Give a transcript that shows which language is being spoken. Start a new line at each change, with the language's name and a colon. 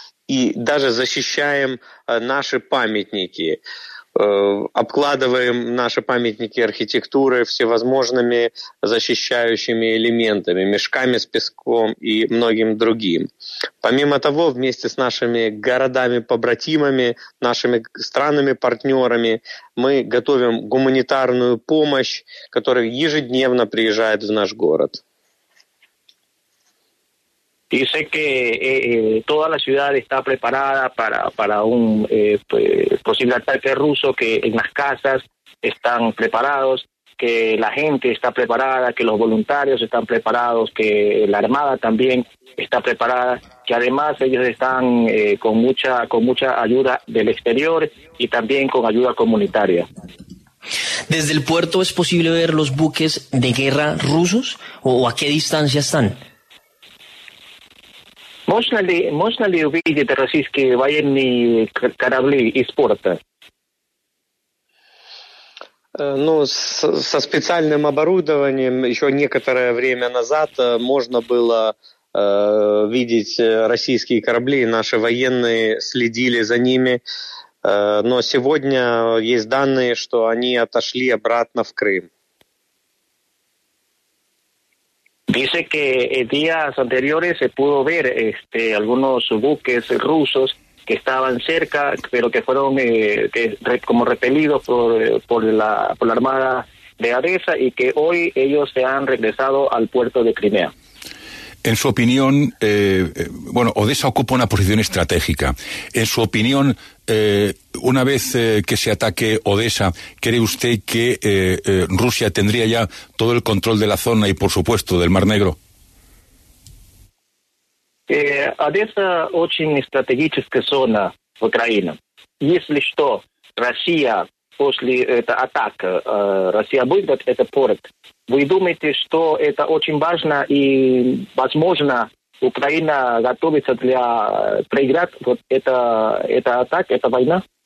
Russian: И даже защищаем наши памятники, обкладываем наши памятники архитектуры всевозможными защищающими элементами, мешками с песком и многим другим. Помимо того, вместе с нашими городами-побратимами, нашими странами-партнерами, мы готовим гуманитарную помощь, которая ежедневно приезжает в наш город.
Spanish: Dice que toda la ciudad está preparada para un posible ataque ruso, que en las casas están preparados, que la gente está preparada, que los voluntarios están preparados, que la Armada también está preparada, que además ellos están con mucha ayuda del exterior y también con ayuda comunitaria. ¿Desde el puerto es posible ver los buques de guerra rusos o a qué distancia están?
Russian: Можно ли увидеть российские военные корабли из порта? Ну, со специальным оборудованием еще некоторое время назад можно было видеть российские корабли, наши военные следили за ними, Но сегодня есть данные, что они отошли обратно в Крым.
Spanish: Dice que días anteriores se pudo ver algunos buques rusos que estaban cerca, pero que fueron como repelidos por la Armada de Odessa y que hoy ellos se han regresado al puerto de Crimea. En su opinión, Odessa ocupa una posición estratégica. En su opinión, una vez que se ataque Odessa, ¿cree usted que Rusia tendría ya todo el control de la zona y, por supuesto, del Mar Negro?
Russian: Одесса очень стратегическая зона в Украине. Если что, Россия после этой атаки, Россия выйдет в этот порт, вы думаете, что это очень важно и, возможно, Украина готовится для проиграть вот это атака, эта война?